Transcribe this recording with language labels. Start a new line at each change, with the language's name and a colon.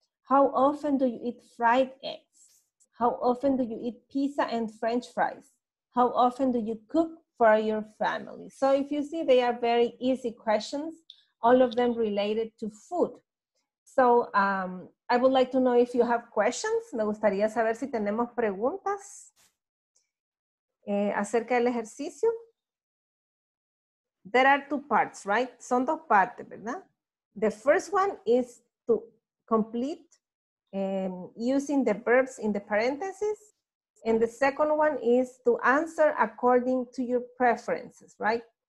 English: How often do you eat fried eggs? How often do you eat pizza and French fries? How often do you cook for your family? So if you see, they are very easy questions, all of them related to food. So I would like to know if you have questions.
Spanish: Me gustaría saber si tenemos preguntas acerca del ejercicio.
English: There are two parts, right?
Spanish: Son dos partes, ¿verdad?
English: The first one is to complete using the verbs in the parentheses. And the second one is to answer according to your preferences, right?